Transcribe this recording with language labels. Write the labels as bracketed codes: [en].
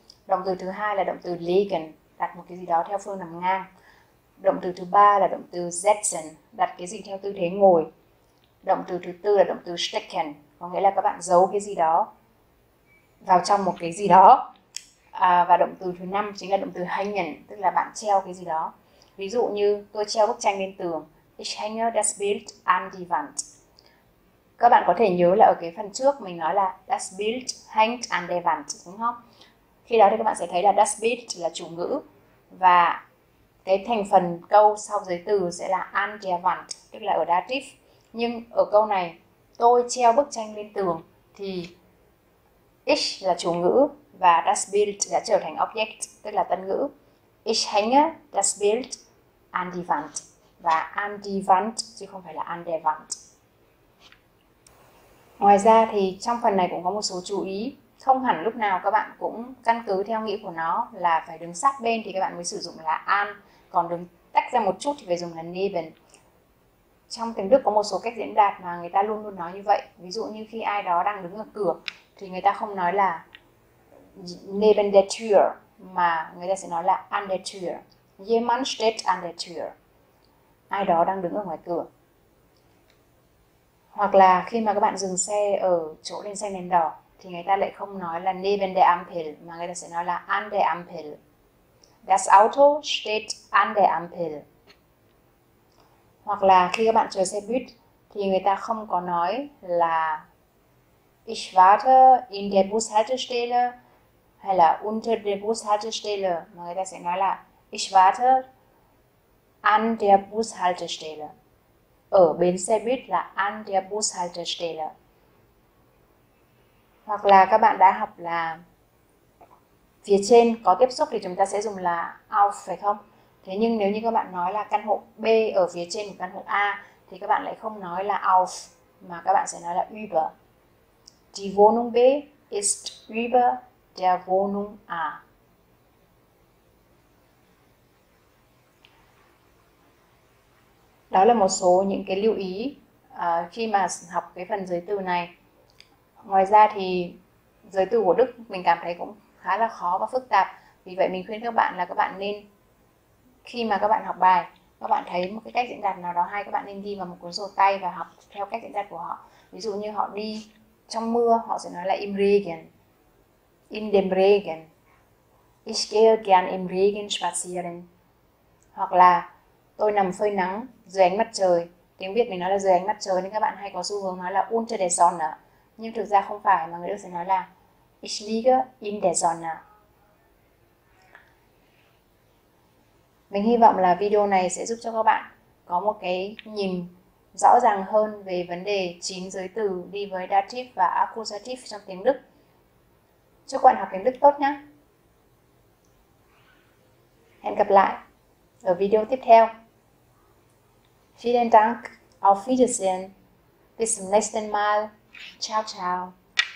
[vi] Động từ thứ hai là động từ liegen, đặt một cái gì đó theo phương nằm ngang. Động từ thứ ba là động từ setzen, đặt cái gì theo tư thế ngồi. Động từ thứ tư là động từ stecken, có nghĩa là các bạn giấu cái gì đó vào trong một cái gì đó. Và động từ thứ năm chính là động từ hängen, tức là bạn treo cái gì đó. Ví dụ như tôi treo bức tranh lên tường. [de] Ich hänge das Bild an die Wand. [vi] Các bạn có thể nhớ là ở cái phần trước mình nói là [de] das Bild hängt an der Wand, [vi] đúng không? Khi đó thì các bạn sẽ thấy là das Bild là chủ ngữ và cái thành phần câu sau giới từ sẽ là an der Wand, tức là ở đa dativ. Nhưng ở câu này tôi treo bức tranh lên tường thì ich là chủ ngữ và das Bild đã trở thành object, tức là tân ngữ. [de] Ich hänge das Bild an die Wand. [vi] Và an die Wand chứ không phải là an der Wand. Ngoài ra thì trong phần này cũng có một số chú ý. Không hẳn lúc nào các bạn cũng căn cứ theo nghĩa của nó là phải đứng sát bên thì các bạn mới sử dụng là an. Còn đứng tách ra một chút thì phải dùng là neben. Trong tiếng Đức có một số cách diễn đạt mà người ta luôn luôn nói như vậy. Ví dụ như khi ai đó đang đứng ở cửa thì người ta không nói là neben der Tür mà người ta sẽ nói là an der Tür. [de] Jemand steht an der Tür. [vi] Ai đó đang đứng ở ngoài cửa. Hoặc là khi mà các bạn dừng xe ở chỗ lên xe đèn đỏ thì người ta lại không nói là neben der Ampel mà người ta sẽ nói là an der Ampel. [de] Das Auto steht an der Ampel. [vi] Hoặc là khi các bạn chờ xe buýt thì người ta không có nói là [de] ich warte in der Bushaltestelle [vi] hay là unter der Bushaltestelle mà người ta sẽ nói là [de] ich warte an der Bushaltestelle. [vi] Ở bến xe buýt là an der Bushaltestelle. Hoặc là các bạn đã học là phía trên có tiếp xúc thì chúng ta sẽ dùng là auf, phải không? Thế nhưng nếu như các bạn nói là căn hộ B ở phía trên của căn hộ A thì các bạn lại không nói là auf mà các bạn sẽ nói là über. [de] Die Wohnung B ist über der Wohnung A. [vi] Đó là một số những cái lưu ý khi mà học cái phần giới từ này. Ngoài ra thì giới từ của Đức mình cảm thấy cũng khá là khó và phức tạp. Vì vậy mình khuyên các bạn là các bạn nên khi mà các bạn học bài, các bạn thấy một cái cách diễn đạt nào đó hay, các bạn nên ghi vào một cuốn sổ tay và học theo cách diễn đạt của họ. Ví dụ như họ đi trong mưa, họ sẽ nói là im Regen. [de] In dem Regen. Ich gehe gern im Regen spazieren. [vi] Hoặc là tôi nằm phơi nắng dưới ánh mặt trời. Tiếng Việt mình nói là dưới ánh mặt trời nên các bạn hay có xu hướng nói là unter der Sonne. Nhưng thực ra không phải, mà người Đức sẽ nói là [de] ich liege in der Sonne. [vi] Mình hy vọng là video này sẽ giúp cho các bạn có một cái nhìn rõ ràng hơn về vấn đề chín giới từ đi với dative và accusative trong tiếng Đức. Chúc bạn học tiếng Đức tốt nhé. Hẹn gặp lại ở video tiếp theo. [de] Vielen Dank, auf Wiedersehen, bis zum nächsten Mal. Ciao, ciao.